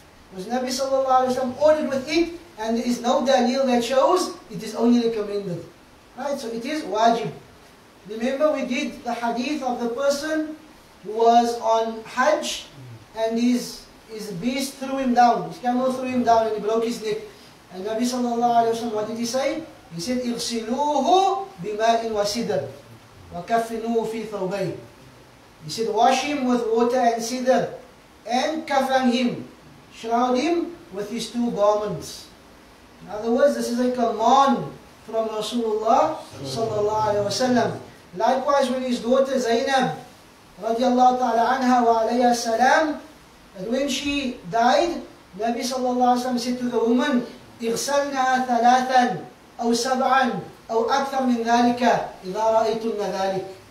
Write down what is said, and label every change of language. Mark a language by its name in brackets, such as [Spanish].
[English] Because Nabi sallallahu alayhi wa sallam ordered with it, and there is no dalil that shows it is only recommended. Right, so it is wajib. Remember we did the hadith of the person who was on Hajj, and his beast threw him down, his camel threw him down, and he broke his neck. And Nabi sallallahu alayhi wa sallam, what did he say? He said, [Arabic] اغسلوه بماء وسدر وكفنوه في ثوبين. [English] He said, wash him with water and cedar, and kafan him, shroud him with his two garments. In other words, this is a command from Rasulullah sallallahu alayhi wa sallam. Likewise, when his daughter Zainab, Radiyallahu ta'ala anha wa alayhi salam, and when she died, Nabi sallallahu alayhi wa sallam said to the woman, [Arabic] اغسلناها ثلاثا أو سبعا أو أكثر من ذلك إذا رأيتنا ذلك.